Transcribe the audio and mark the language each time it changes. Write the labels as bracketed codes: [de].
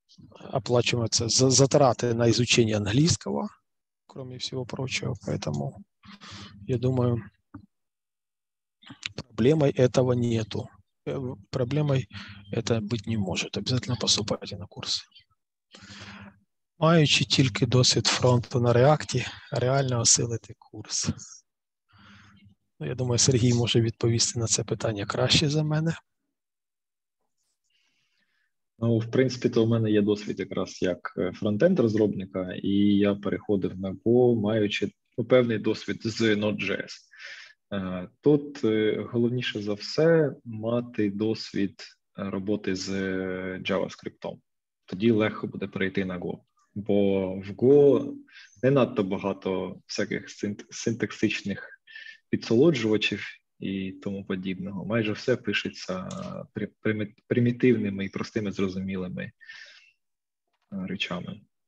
[ru] Оплачиваются за затраты на изучение английского, кроме всего прочего, поэтому я думаю, проблемой этого нету. Проблемой это быть не может. Обязательно поступайте на курсы. [uk] Маючи тільки досвід фронту на реакті, реально осилити курс. Я думаю, Сергій може відповісти на це питання краще за мене. Ну, в принципі, то у мене є досвід якраз як фронтенд-розробника, і я переходив на Go, маючи певний досвід з Node.js. Тут головніше за все мати досвід роботи з JavaScript. Тоді легко буде перейти на Go. Бо в Go не надто багато всяких синтаксичних підсолоджувачів і тому подібного. Майже все пишеться примітивними і простими зрозумілими речами.